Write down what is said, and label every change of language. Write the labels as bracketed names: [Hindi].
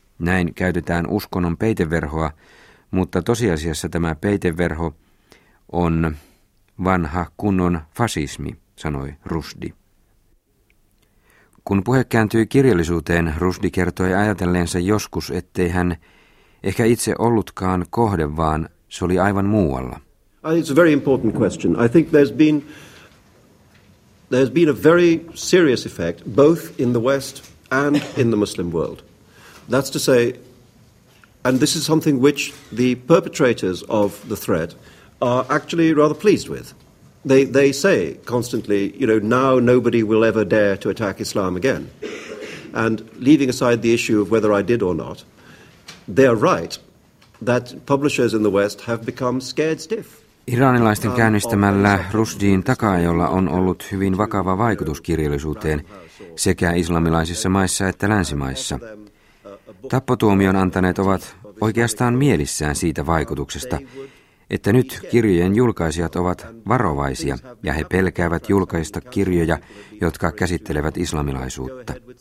[Finnish] Näin käytetään uskonnon peiteverhoa, mutta tosiasiassa tämä peiteverho on vanha kunnon fasismi, sanoi Rushdie. Kun puhe kääntyi kirjallisuuteen, Rushdie kertoi ajatelleensa joskus, ettei hän ehkä itse ollutkaan kohde, vaan se oli aivan muualla. [English] It's a very important question. I think there's been a very serious effect both in the West and in the Muslim world. That's to say, and this is something which the perpetrators of the threat are actually rather pleased with. They say constantly, you know, now nobody will ever dare to attack Islam again. And leaving aside the issue of whether I did or not, they are right that publishers in the West have become scared stiff. [Finnish] Iranilaisten käynnistämällä Rushdien takaajolla on ollut hyvin vakava vaikutus kirjallisuuteen sekä islamilaisissa maissa että länsimaissa. Tappotuomion antaneet ovat oikeastaan mielissään siitä vaikutuksesta, että nyt kirjojen julkaisijat ovat varovaisia ja he pelkäävät julkaista kirjoja, jotka käsittelevät islamilaisuutta.